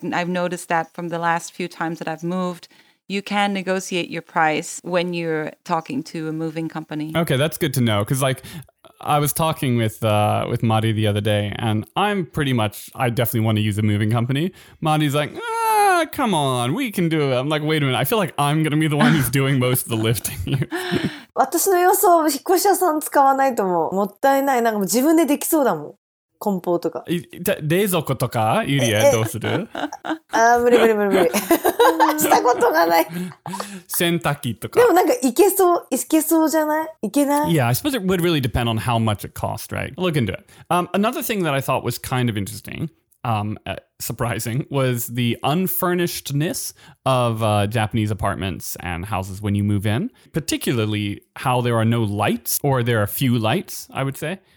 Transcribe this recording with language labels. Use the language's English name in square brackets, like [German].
[English] And I've noticed that from the last few times that I've moved, you can negotiate your price when you're talking to a moving company. Okay, that's good to know. Because, like, I was talking with Mari the other day, and I definitely want to use a moving company. Mari's like, come on, we can do it. I'm like, wait a minute. I feel like I'm going to be the one who's doing most of the lifting here. [Japanese] 私の予想は引っ越し屋さん使わないと思う。もったいない。なんか自分でできそうだもん。梱包とか。冷蔵庫とか、ユリア、どうする？ああ、無理無理無理無理。したことがない。洗濯機とか。でもなんかいけそうじゃない？いけない？ [English] Yeah, I suppose it would really depend on how much it costs, right? Look into it. Another thing that I thought was kind of interesting... surprising was the unfurnishedness of Japanese apartments and houses when you move in, particularly how there are no lights or there are few lights, I would say.